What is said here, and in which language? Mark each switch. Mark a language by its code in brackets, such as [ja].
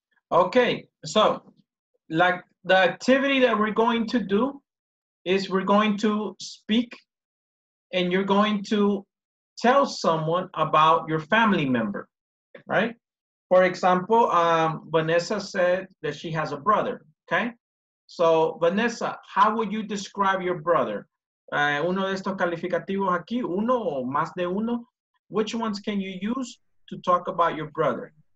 [en] Okay, so like the activity that we're going to do is we're going to speak and you're going to tell someone about your family member, right? For example, Vanessa said that she has a brother, okay? So, Vanessa, how would you describe your brother? [es] Uno de estos calificativos aquí, uno o más de uno. [en] Which ones can you use to talk about your brother?